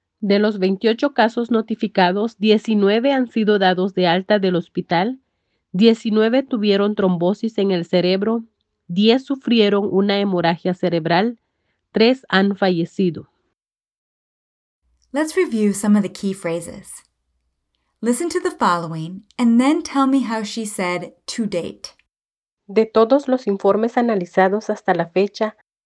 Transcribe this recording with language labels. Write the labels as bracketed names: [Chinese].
[Spanish] De los 28 casos notificados, 19 han sido dados de alta del hospital, 19 tuvieron trombosis en el cerebro, 10 sufrieron una hemorragia cerebral, 3 han fallecido. [English] Let's review some of the key phrases. Listen to the following and then tell me how she said to date. [Spanish] De todos los informes analizados hasta la fecha.